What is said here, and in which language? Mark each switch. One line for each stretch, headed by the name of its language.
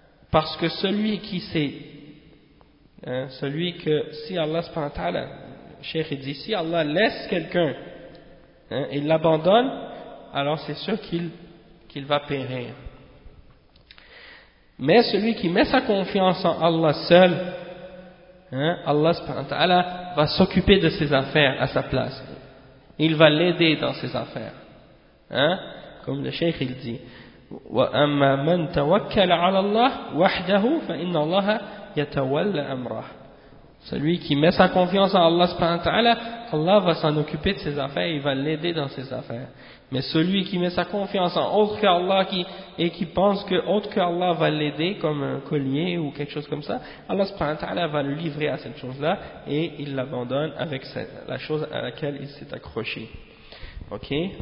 French: Parce que celui qui sait, hein, celui que, si Allah
Arabic: subhanahu wa ta'ala,
French: Cheikh dit, si Allah laisse quelqu'un, hein, et l'abandonne, alors c'est sûr qu'il va périr. Mais celui qui met sa confiance en Allah seul, hein, Allah
Arabic: subhanahu wa ta'ala
French: va s'occuper de ses affaires à sa place. Il va l'aider dans ses affaires. Hein, comme le Cheikh il dit,
Arabic: وَأَمَّا مَنْ تَوَكَّلَ عَلَى اللَّهِ وَحْدَهُ فَإِنَّ اللَّهَ يَتَوَلَّ أَمْرَهُ.
French: Celui qui met sa confiance en Allah
Arabic: subhanahu wa ta'ala,
French: Allah va s'en occuper de ses affaires, il va l'aider dans ses affaires. Mais celui qui met sa confiance en autre qu'Allah et qui pense que autre qu'Allah va l'aider comme un collier ou quelque chose comme ça, Allah
Arabic: subhanahu wa ta'ala
French: va le livrer à cette chose-là et il l'abandonne avec la chose à laquelle il s'est accroché. Ok?